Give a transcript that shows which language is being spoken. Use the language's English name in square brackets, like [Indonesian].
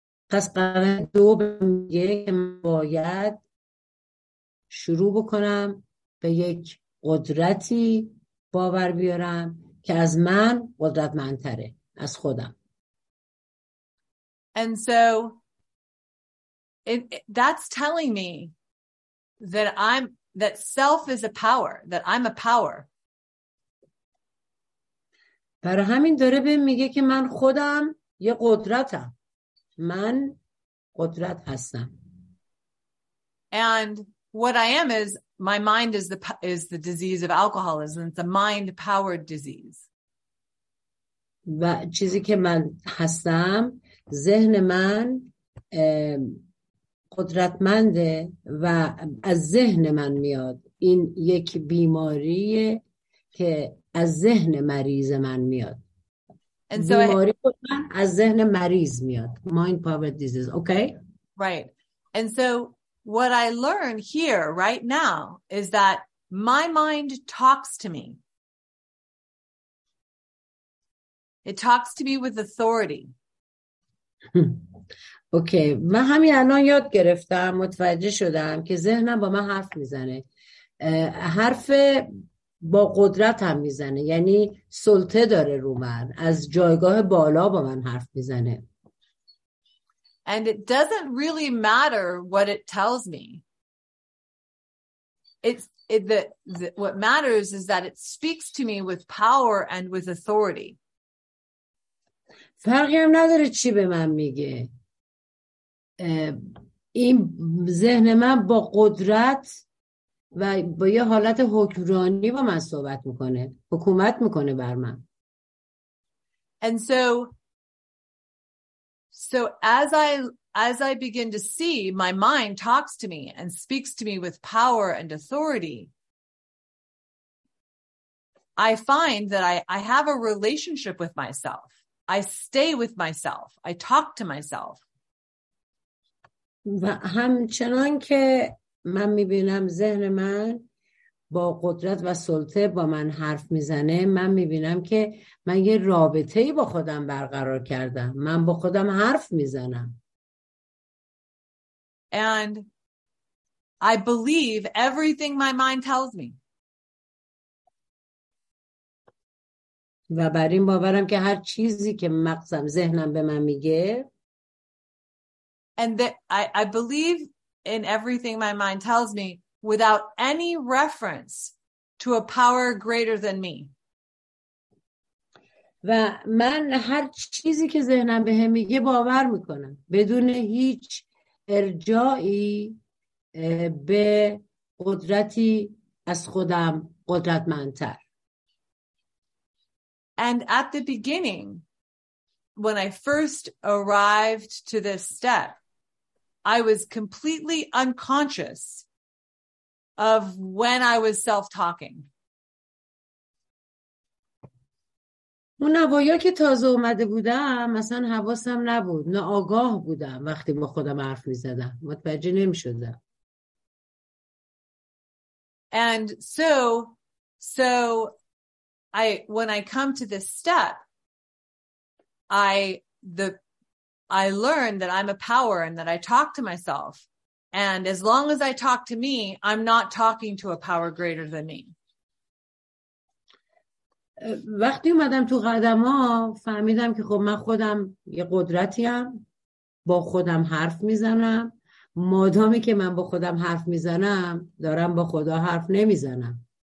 [Persian] پس قدم دو میگه که باید شروع بکنم به یک قدرتی باور بیارم که از من قدرتمندتره، از خودم. [English] And so that's telling me that self is a power, that I'm a power. [Persian] برای همین داره بهم میگه که من خودم یه قدرتم. من قدرت هستم. [English] And what I am is my mind is the disease of alcoholism. It's a mind powered disease. [Persian] و چیزی که من هستم، ذهن من قدرتمنده و از ذهن من میاد. این یک بیماریه که از ذهن مریض من میاد. بیماری من از ذهن مریض میاد. [English] Mind powered disease. Okay. Right. And so what I learn here right now is that my mind talks to me. It talks to me with authority. Okay. [Persian] من همین الان یاد گرفتم، متوجه شدم که ذهنم با من حرف میزنه، حرف با قدرت هم میزنه، یعنی سلطه داره رو من، از جایگاه بالا با من حرف میزنه. [English] And it doesn't really matter what it tells me. It what matters is that it speaks to me with power and with authority. [Persian] فرقی هم نداره چی به من میگه. این ذهن من با قدرت و با یه حالت حکمرانی با من صحبت میکنه. حکومت میکنه بر من. [English] And so as I begin to see, my mind talks to me and speaks to me with power and authority. I find that I have a relationship with myself. I stay with myself. I talk to myself. [Persian] و همچنان که من میبینم ذهن من با قدرت و سلطه با من حرف میزنه، من میبینم که من یه رابطه‌ای با خودم برقرار کردم. من با خودم حرف میزنم. [English] And I believe everything my mind tells me. [Persian] و بر این باورم که هر چیزی که مغزم ذهنم به من میگه. [English] And that I believe in everything my mind tells me without any reference to a power greater than me. [Persian] و من هر چیزی که ذهنم به هم میگه باور میکنم بدون هیچ ارجایی به قدرتی از خودم قدرتمندتر. [English] And at the beginning, when I first arrived to this step, I was completely unconscious of when I was self-talking. [Persian] اون اوایا که تازه اومده بودم مثلا حواسم نبود، نه آگاه بودم وقتی با خودم حرف می‌زدم، متوجه نمی‌شدم. [English] And so I when I come to this step, I learn that I'm a power and that I talk to myself. And as long as I talk to me, I'm not talking to a power greater than me. [Persian] وقتی اومدم تو قدم ها فهمیدم که خب من خودم یه قدرتی هم، با خودم حرف میزنم. مادامی که من با خودم حرف میزنم دارم با خدا حرف نمیزنم.